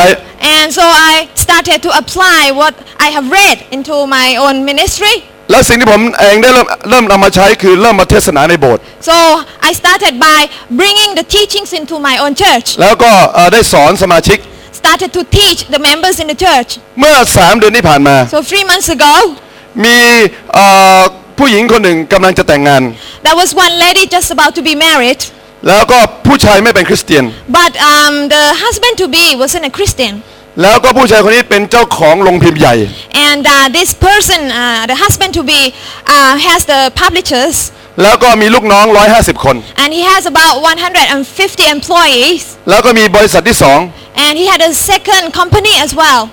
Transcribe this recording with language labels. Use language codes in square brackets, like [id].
[en] And so I started to apply what I have read into my own ministry [th] และสิ่งที่ผมเองได้เริ่มนำมาใช้คือเริ่มมาเทศนาในโบสถ์ [en] So I started by bringing the teachings into my own church [th] แล้วก็ได้สอนสมาชิก [en] Started to teach the members in the church [th] เมื่อ3เดือนที่ผ่านมา [en] So 3 months agom [th] ผู้หญิงคนหนึ่งกำลังจะแต่งงาน [en] There was one lady just about to be married [th] แล้วก็ผู้ชายไม่เป็นคริสเตียน [en] But the husband to be wasn't a Christian [th] แล้วก็ผู้ชายคนนี้เป็นเจ้าของโรงพิมพ์ใหญ่ [en] And this person the husband to be has the publishers [th] แล้วก็มีลูกน้อง150คน [en] And he has about 150 employees [th] แล้วก็มีบริษัทที่2 [en] And he had a second company as well.